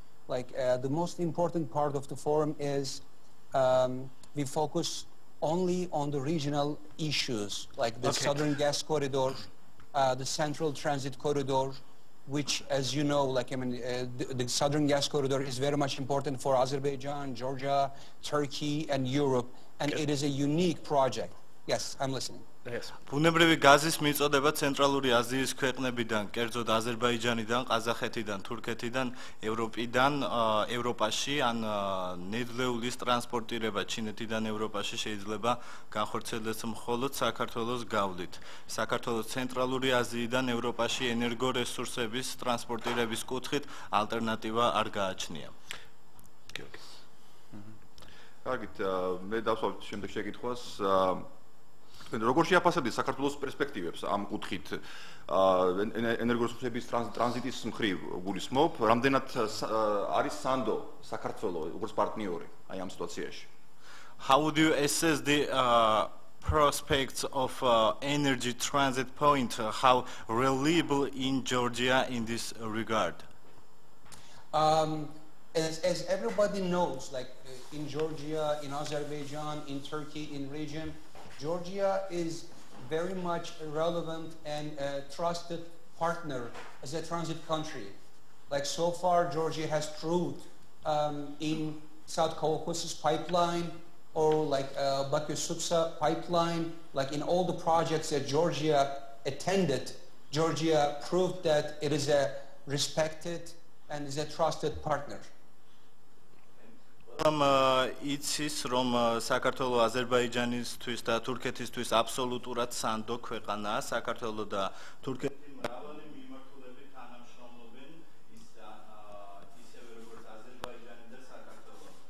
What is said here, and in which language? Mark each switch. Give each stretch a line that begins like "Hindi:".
English: Like the most important part of the forum is we focus only on the regional issues, like the Southern Gas Corridor, the Central Transit Corridor, which, as you know, the Southern Gas Corridor is very much important for Azerbaijan, Georgia, Turkey, and Europe, and it is a unique project. Yes, I'm listening.
Georgian: ბუნებრივი გაზის მიწოდება ცენტრალური აზიის ქვეყნებიდან, კერძოდ აზერბაიჯანიდან, ყაზახეთიდან, თურქეთიდან, ევროპიდან, ევროპაში, ან ნედლეულის ტრანსპორტირება ჩინეთიდან ევროპაში შეიძლება განხორციელდეს მხოლოდ საქართველოს გავლით. საქართველოს ცენტრალური აზიიდან ევროპაში ენერგორესურსების ტრანსპორტირების კუთხით ალტერნატივა არ გააჩნია. კარგით, მე დავსვამ შემდეგ შეკითხვას. როგორ შეაფასებდით საქართველოს პერსპექტივებს ამ კუთხით, ენერგორესურსების ტრანზიტის მხრივ გულისხმობ, რამდენად არის სანდო საქართველო როგორც პარტნიორი აი ამ სიტუაციაში?
English: How would you assess the prospects of energy transit point, how reliable in Georgia in this regard? As everybody knows, like in Georgia, in Azerbaijan, in Turkey, in region, Georgia is very much a relevant and a trusted partner as a transit country. Like so far, Georgia has proved in South Caucasus pipeline or like Baku-Supsa pipeline, like in all the projects that Georgia attended, Georgia proved that it is a respected and is a trusted partner.
Georgian: ამ იცის რომ საქართველო აზერბაიჯანისთვის და თურქეთისთვის აბსოლუტურად სანდო ქვეყანაა. საქართველო და თურქეთი მრავალი მიმართულებით თანამშრომლობენ, ისევე როგორც აზერბაიჯანი და საქართველო.